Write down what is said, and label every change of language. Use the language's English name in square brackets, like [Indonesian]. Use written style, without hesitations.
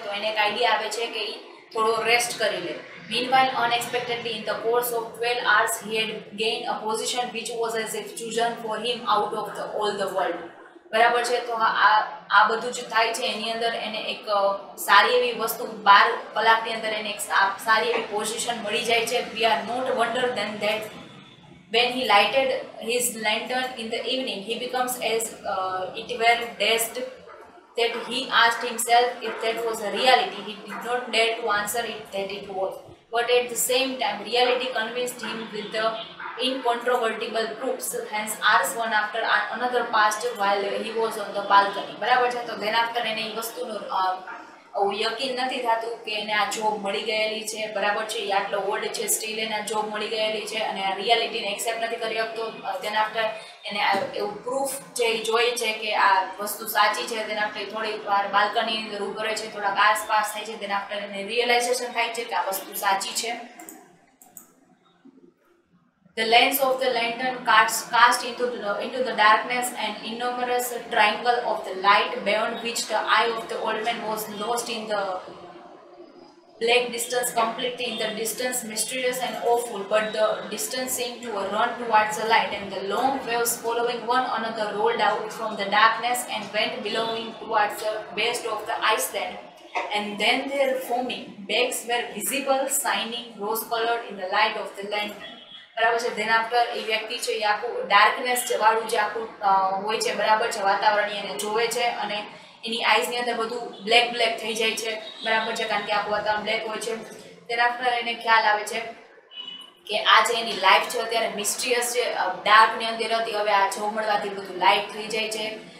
[Gujarati] તો એને એક આઈડિયા આવે છે કે એ થોડો રેસ્ટ કરી લે. [English] Meanwhile unexpectedly in the course of 12 hours he had gain a position which was as if chosen for him out of the all the world. [Gujarati] બરાબર છે. તો આ બધું જ થાય છે એની અંદર એને એક સારી એવી વસ્તુ 12 કલાકની અંદર એને એક સારી એવી પોઝિશન મળી જાય છે. [English] We are not wonder then that when he lighted his lantern in the evening he becomes as it were dazed, that he asked himself if that was a reality. He did not dare to answer it that it was, but at the same time reality convinced him with the incontrovertible proofs. Hence hours one after another passed while he was on the balcony. [Gujarati] બરાબર છે. તો [English] then after [Gujarati] એને એ વસ્તુનું યકીન નથી થતું કે એને આ જોબ મળી ગયેલી છે બરાબર છે, એ આટલો ઓલ્ડ છે સ્ટીલ એને આ જોબ મળી ગયેલી છે અને આ રિયાલિટીને એક્સેપ્ટ નથી કરી શકતો. તેના આફ્ટર એને એવું પ્રૂફ છે એ જોઈ છે કે આ વસ્તુ સાચી છે. તેના આફ્ટર થોડી વાર બાલ્કની અંદર ઊભો રહે છે, થોડાક આસપાસ થાય છે, તેના આફ્ટર એને રિયલાઇઝેશન થાય છે કે આ વસ્તુ સાચી છે. [English] The lens of the lantern cast into the darkness an innumerous triangle of the light beyond which the eye of the old man was lost in the black distance, completely in the distance, mysterious and awful. But the distance seemed to run towards the light, and the long waves following one another rolled out from the darkness and went billowing towards the base of the iceland. And then their foaming backs were visible, shining rose-colored in the light of the lantern. [Gujarati] બરાબર છે. Then after એ વ્યક્તિ છે એ આખું darkness વાળું જે આખું હોય છે બરાબર છે વાતાવરણ એને જોવે છે અને એની આઈઝની અંદર બધું બ્લેક બ્લેક થઈ જાય છે બરાબર છે, કારણ કે આખું વાતાવરણ બ્લેક હોય છે. દેન આફ્ટર એને ખ્યાલ આવે છે કે આ જે એની લાઈફ છે અત્યારે મિસ્ટ્રીયસ છે, ડાર્કની અંદર હતી, હવે આ જોવા મળવાથી બધું લાઈટ થઈ જાય છે.